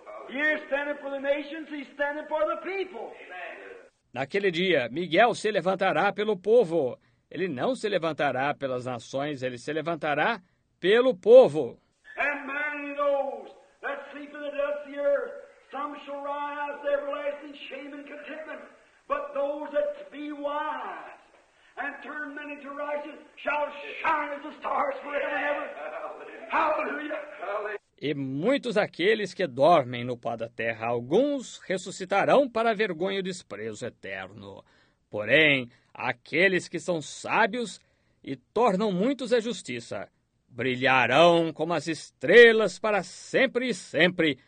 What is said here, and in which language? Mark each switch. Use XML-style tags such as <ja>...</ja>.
<en>He is standing for the nations, he's standing for the people.</en> <pt>Naquele dia, Miguel se levantará pelo povo. Ele não se levantará pelas nações, ele se levantará pelo povo.</pt> <en>And many those that sleep in the dust of the earth, some shall rise to everlasting shame and contentment. But those that be wise and turn many to righteousness shall shine as the stars forever and ever. Hallelujah!</en> <pt>E muitos aqueles que dormem no pó da terra, alguns ressuscitarão para vergonha e desprezo eterno. Porém, aqueles que são sábios e tornam muitos a justiça, brilharão como as estrelas para sempre e sempre.</pt>